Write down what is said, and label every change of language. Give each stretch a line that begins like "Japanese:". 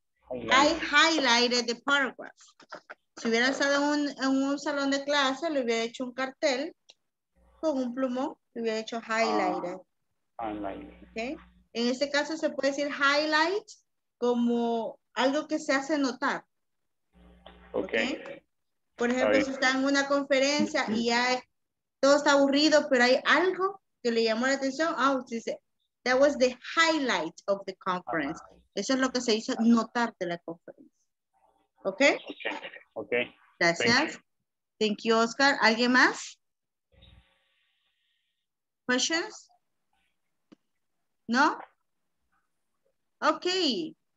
English: Highlighted. I highlighted the paragraph.
Spanish: Si hubiera estado en un salón de clase, le hubiera hecho un cartel con un plumón, le hubiera hecho highlighted.
English: Highlighted. Okay.
Spanish: En este caso se puede decir highlight como algo que se hace notar. Okay. Por ejemplo, si está en una conferencia y ya todo está aburrido, pero hay algo que le llamó la atención. Ah, usted dice,
English: that was the highlight of the conference.
Spanish: Eso es lo que se hizo notar de la conferencia.
English: Okay. Okay.
Spanish: Gracias.
English: Thank you, Oscar.
Spanish: ¿Alguien más?
English: Questions? No? Okay.